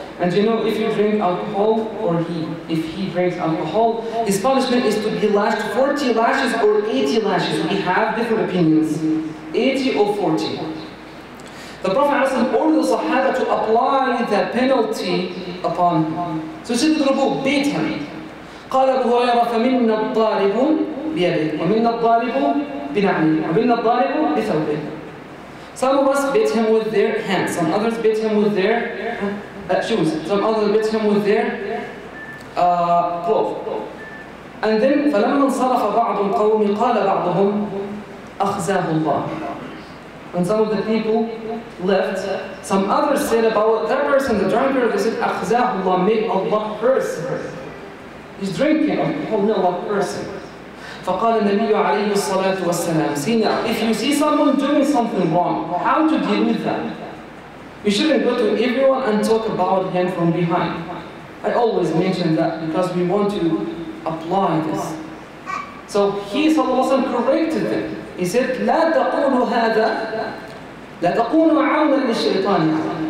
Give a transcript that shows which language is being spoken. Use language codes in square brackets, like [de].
[en] And you know, if you drink alcohol, or if he drinks alcohol, his punishment is to be lashed 40 lashes or 80 lashes. We have different opinions. 80 or 40. The Prophet ﷺ ordered the Sahaba to apply the penalty upon him. So Sayyidina Abu Bakr beat him. [ar] قال أبو هريرة فمنا الضارب بيده ومنا الضارب بنعله ومنا الضارب بثوبه. [en] Some of us beat him with their hands. Some others beat him with their shoes. Some others beat him with their clothes. And then [ar] فلما انصرف بعض القوم قال بعضهم أخزاه الله. [en] When some of the people left, some others said about that person, the drunker, they said, [ar] أخزاه الله, [en] may Allah curse her. He's drinking, oh, may Allah curse him. [ar] فقال النبي عليه الصلاة والسلام, [en] see now, if you see someone doing something wrong, how to deal with that? You shouldn't go to everyone and talk about him from behind. I always mention that because we want to apply this. So he, [ar] صلى الله عليه وسلم, [en] corrected them. He said, [ar] لا تقولوا هذا, لا تقولوا عونا للشيطان.